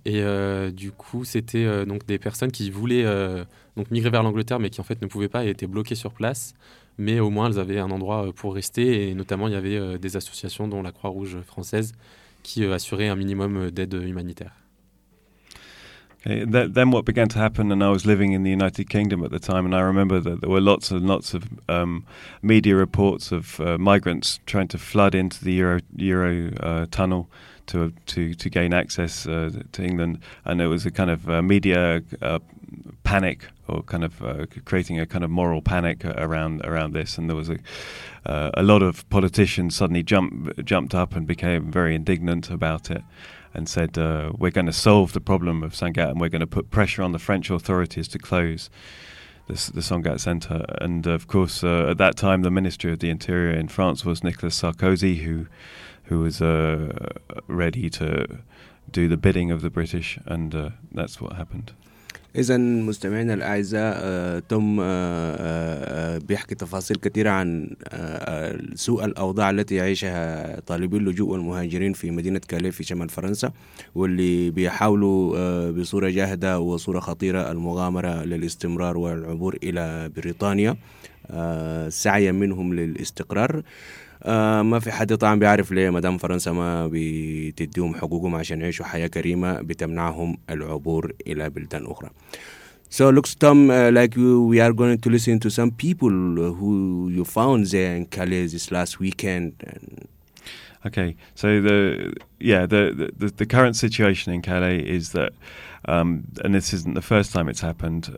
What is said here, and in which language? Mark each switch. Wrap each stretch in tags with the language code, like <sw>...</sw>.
<fr>Et du coup, c'était donc des personnes qui voulaient donc migrer vers l'Angleterre, mais qui en fait ne pouvaient pas et étaient bloquées sur place. Mais au moins, elles avaient un endroit pour rester. Et notamment, il y avait des associations, dont la Croix-Rouge française, qui assuraient un minimum d'aide humanitaire.</fr> <en>Okay. Then what began to happen, and I was living in the United Kingdom at the time, and I remember that there were lots and lots of media reports of migrants trying to flood into the Euro tunnel to gain access to England, and it was a kind of media panic, or kind of creating a kind of moral panic around this, and there was a lot of politicians suddenly jumped up and became very indignant about it, and said, we're going to solve the problem of Sangat, and we're going to put pressure on the French authorities to close the Sangat Centre. And of course, at that time, the Minister of the Interior in France was Nicolas Sarkozy, who was ready to do the bidding of the British, and that's what happened.</en> <ar>إذن مستمعينا الأعزاء تم بيحكي تفاصيل كثيرة عن سوء الأوضاع التي يعيشها طالبي اللجوء والمهاجرين في مدينة كالي في شمال فرنسا، واللي بيحاولوا بصورة جاهدة وصورة خطيرة المغامرة للاستمرار والعبور إلى بريطانيا سعيا منهم للاستقرار. ما في حد طبعا بيعرف ليه مدام فرنسا ما بتديهم حقوقهم عشان يعيشوا حياة كريمة بتمنعهم العبور إلى بلدان أخرى.</ar> <en>So looks to them like we are going to listen to some people who you found there in Calais this last weekend. Okay, so the current situation in Calais is that, and this isn't the first time it's happened.</en>